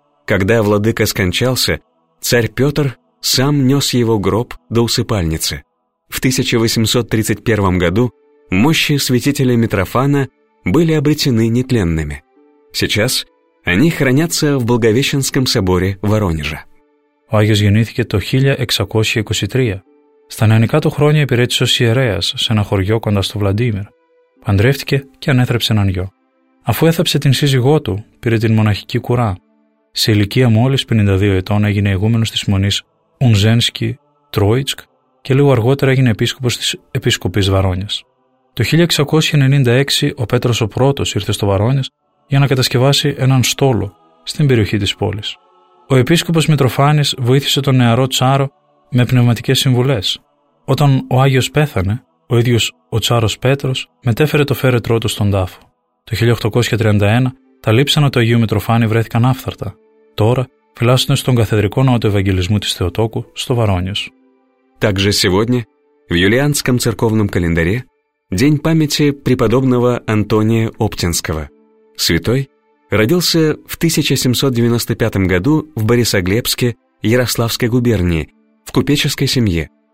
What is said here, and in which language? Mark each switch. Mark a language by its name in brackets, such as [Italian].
[Russian] Когда владыка скончался, царь Петр сам нес его гроб до усыпальницы. В 1831 году мощи святителя Митрофана были обретены нетленными. Сейчас они хранятся в Благовещенском соборе Воронежа. [Greek] Ο Άγιος γεννήθηκε το 1623. Στα νεανικά του χρόνια υπηρέτησε ως ιερέας σε ένα χωριό κοντά στο Βλαντίμιρ. Παντρεύτηκε και ανέθρεψε έναν γιο. Αφού έθαψε την σύζυγό του, πήρε την μοναχική κουρά. Σε ηλικία μόλις 52 ετών έγινε ηγούμενος της μονής Ουνζένσκι Τρόιτσκ και λίγο αργότερα έγινε επίσκοπος της Επίσκοπης Βαρόνιας. Το 1696 ο Πέτρος ο Πρώτος ήρθε στο Βαρόνιας για να κατασκευάσει έναν στόλο στην περιοχή της πόλης. Ο επίσκοπος Μητροφάνης βοήθησε τον νεαρό τσάρο με πνευματικές συμβουλές. Όταν ο Άγιος πέθανε, ο ίδιος ο τσάρος Πέτρος μετέφερε το φέρετρό του στον τάφο. Το 1831 τα λείψανα του Αγίου Μητροφάνη βρέθηκαν άφθαρτα. Τώρα φυλάσσονται στον καθεδρικό ναό του Ευαγγελισμού της Θεοτόκου στο Βαρόνιος. [Russian] Также сегодня в юлианском церковном календаре день памяти преподобного Антония Оптинского. Святой родился в 1795 году в Борисоглебске, Ярославской губернии, в купеческой семье.